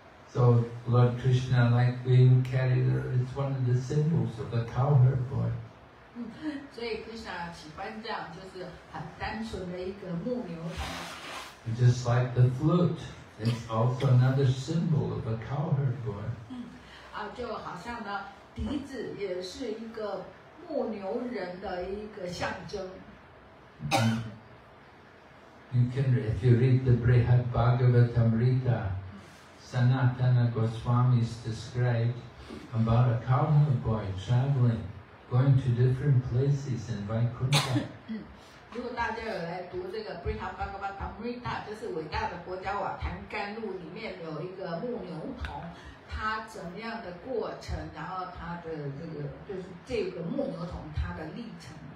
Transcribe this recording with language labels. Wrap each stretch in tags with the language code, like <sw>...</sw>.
<en>So Lord Krishna, like being carried, is one of the symbols of the cowherd boy.</en> <zh>所以 Krishna 喜欢这样，就是很单纯的一个牧牛童。</zh> <en>Just like the flute It's also another symbol of a cowherd boy.</en> <zh>就好像呢，笛子也是一个牧牛人的一个象征。</zh> <en>You can, if you read the Brihad Bhagavatamrita, Sanatana Goswami is described about a cowherd boy traveling, going to different places in Vaikuntha.</en> <zh>如果大家有来读这个 Brihad Bhagavatamrita, 就是伟大的国家瓦坦甘露里面有一个牧牛童，他怎么样的过程，然后他的这个就是这个牧牛童他的历程。</zh>